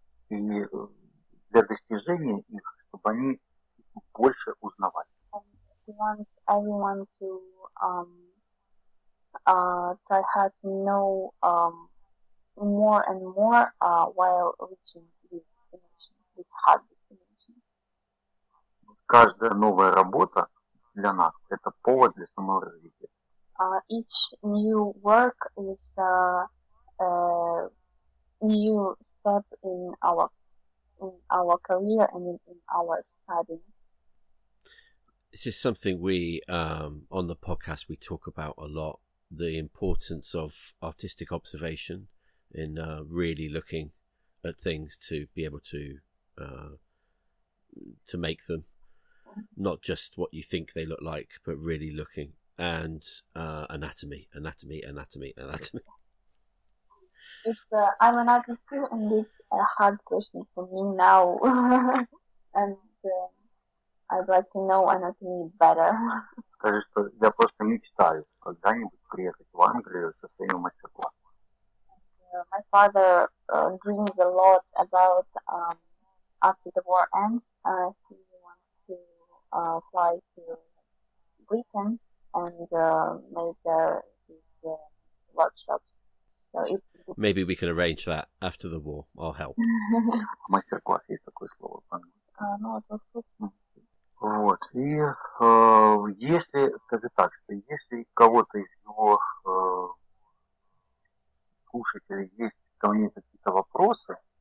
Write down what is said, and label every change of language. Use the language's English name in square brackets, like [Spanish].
[Russian] И для достижения их, чтобы они больше узнавали. [English] And he wants everyone to try hard to know more and more while reaching this hard destination. [Russian] Каждая новая работа для нас – это повод для саморазвития. [English] Each new work is a new step in our career and in our study. This is something we on the podcast we talk about a lot. The importance of artistic observation in really looking at things to be able to make them, not just what you think they look like, but really looking and anatomy. It's I'm an artist too, and it's a hard question for me now, and I'd like to know anatomy better. [Russian] Скажи, что я просто мечтаю когда-нибудь приехать в Англию со своим мастер-классом. [English] My father dreams a lot about after the war ends. He wants to fly to Britain and make his workshops. So it's maybe we can arrange that after the war. I'll help. [Russian] Мастер-класс есть такое слово. Ну, это вкусно. Вот, и если, скажи так, что если кого-то из его слушателей есть ко мне какие-то вопросы,